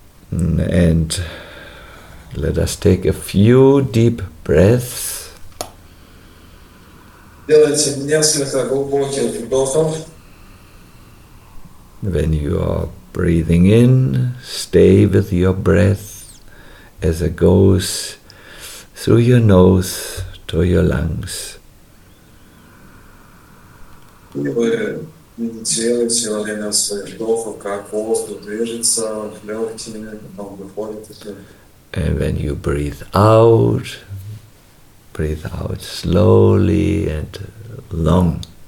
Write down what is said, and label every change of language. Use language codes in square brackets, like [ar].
[en] And let us take a few deep breaths. [ru] Делайте несколько глубоких вдохов. [en] When you are breathing in, stay with your breath as it goes through your nose to your lungs. And when you breathe out slowly and long.